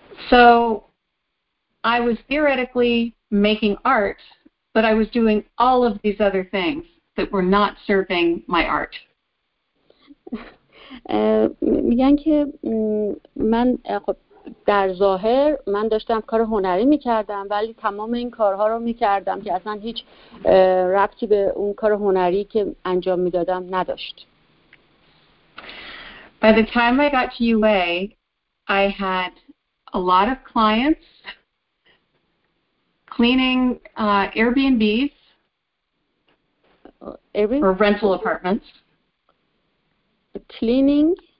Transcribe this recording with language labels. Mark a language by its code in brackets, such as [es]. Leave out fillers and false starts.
[en] So I was theoretically making art, but I was doing all of these other things that were not serving my art. [fa] میگن که من در ظاهر من داشتم کار هنری میکردم، ولی تمام این کارها رو میکردم که اصلا هیچ ربطی به اون کار هنری که انجام میدادم نداشت. [en] By the time I got to UA, I had a lot of clients cleaning Airbnbs or rental apartments. Cleaning?